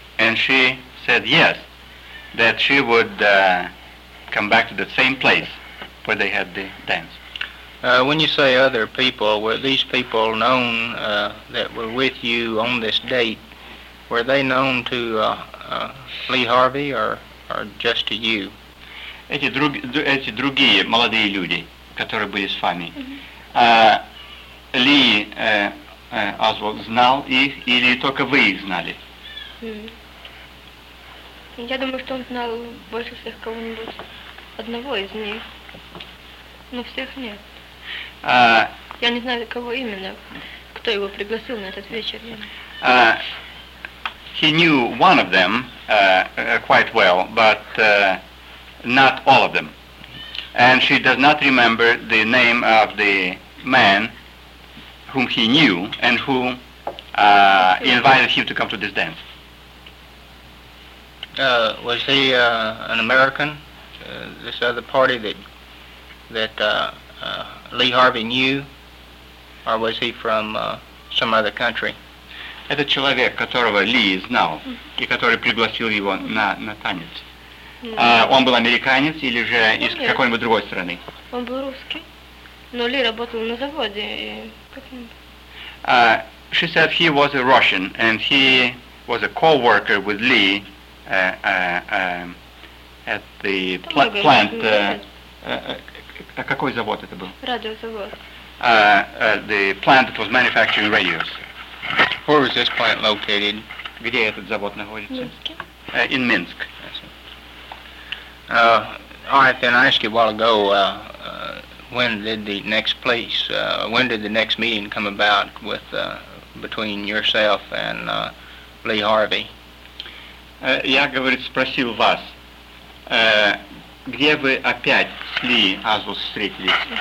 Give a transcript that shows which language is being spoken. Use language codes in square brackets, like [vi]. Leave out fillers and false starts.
[en] And she said yes, that she would come back to the same place where they had the dance. When you say other people, were these people known that were with you on this date, were they known to Lee Harvey or just to you? [ru] Эти другие молодые люди, которые были с вами, Ли Освальд знал их или только вы их знали? Я думаю, что он знал больше всех кого-нибудь, одного из них, но всех нет. Я не знаю, кого именно, кто его пригласил на этот вечер. [en] He knew one of them quite well, but not all of them. And she does not remember the name of the man whom he knew and who invited him to come to this dance. Was he an American, this other party that Lee Harvey knew, or was he from some other country? [ru] Этот человек, которого Ли знал, и который пригласил его на танец, он был американец или же из какой-нибудь другой страны? Он был русский, но Ли работал на заводе. [en] She said he was a Russian, and he was a co-worker with Ли at the plant. [ru] Какой завод это был? Радиозавод. [en] The plant that was manufacturing radios. Where was this plant located? [ru] Где этот завод находится? [en] Minsk. In Minsk. All right, then I asked you a while ago, when did the next place, when did the next meeting come about with between yourself and Lee Harvey? [ru] Я, говорит, спросил вас, где вы опять с Ли Азвус встретились?